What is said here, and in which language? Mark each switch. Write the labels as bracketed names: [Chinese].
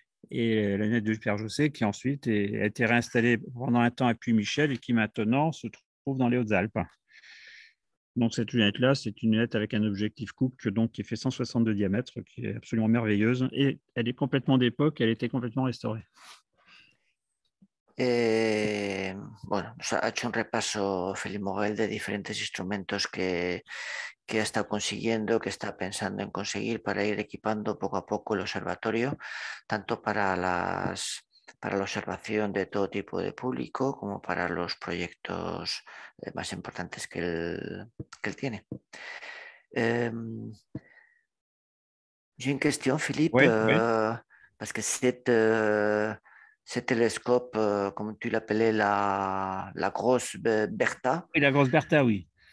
[French] Et la lunette du Père Jossé qui ensuite a été réinstallée pendant un temps à Puy-Michel et qui maintenant se trouve dans les Hautes-Alpes. Donc, cette lunette-là, c'est une lunette avec un objectif coupe donc, qui fait 160 de diamètre, qui est absolument merveilleuse. Et elle est complètement d'époque, elle était complètement restaurée. [Spanish] Bueno, o sea, ha hecho un repaso Felipe Morel de diferentes instrumentos que ha estado consiguiendo, que está pensando en conseguir para ir equipando poco a poco el observatorio, tanto para la observación de todo tipo de público como para los proyectos más importantes que él tiene. [French] J'ai une question, Philippe, parce que ce télescope, comme tu l'appelais, la grosse Bertha. Oui, la grosse Bertha, oui.